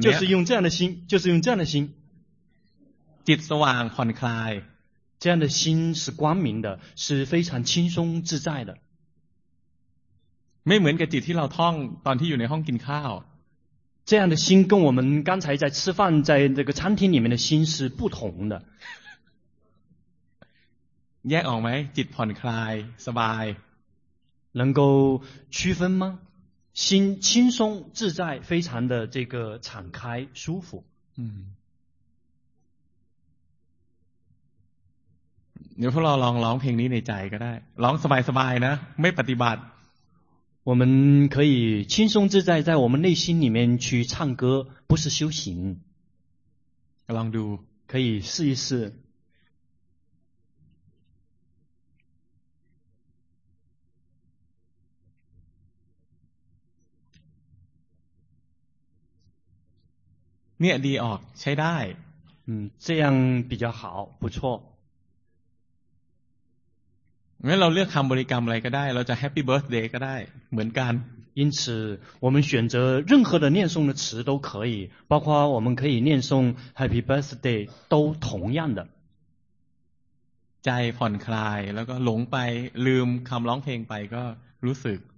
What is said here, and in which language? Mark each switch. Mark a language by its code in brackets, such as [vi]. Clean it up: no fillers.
[zh] 就是用这样的心，就是用这样的心， [th] จิตสว่างผ่อนคลาย， [zh] 这样的心是光明的，是非常轻松自在的。 [th] ไม่เหมือนกับจิตที่เราท่องตอนที่อยู่ในห้องกินข้าว [zh] 这样的心跟我们刚才在吃饭在这个餐厅里面的心是不同的。 [th] แยกออกไหมจิตผ่อนคลายสบาย [zh] 能够区分吗？心轻松自在，非常的这个敞开舒服。嗯。你不如 [th] ลองเพลงนี้ในใจก็ได้ลองสบายสบายนะไม่ปฏิบัติ [zh] 我们可以轻松自在在我们内心里面去唱歌，不是修行。 [th] ลองดู [zh] 可以试一试。 [th] เนี่ยดีออกใช้ได้ [zh] 这样比较好不错 [th] งั้นเราเลือกคำบริกรรมอะไรก็ได้เราจะ Happy Birthday ก็ได้เหมือนกัน [zh] 因此我们选择任何的念诵的词都可以包括我们可以念诵 Happy Birthday 都同样的 [th] ใจผ่อนคลายแล้วก็หลงไปลืมคำร้องเพลงไปก็รู้สึก